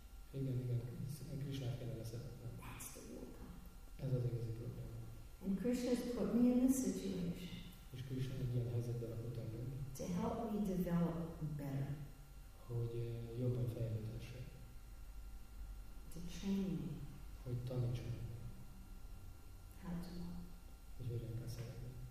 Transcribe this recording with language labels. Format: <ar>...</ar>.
<hu>Igen, Krishnát kellene szeretnem. Ez az igazi probléma.</hu> <en>And Krishna has put me in this situation.</en> <hu>És Krishna egy ilyen helyzetben rakott engem.</hu> <en>To help me develop better.</en> <hu>Hogy jobban fejlődhessek.</hu> <en>To train me.</en> <hu>Hogy tanítson.</hu> <en>How to love.</en> <hu>Hogy hogyan kell szeretni.</hu>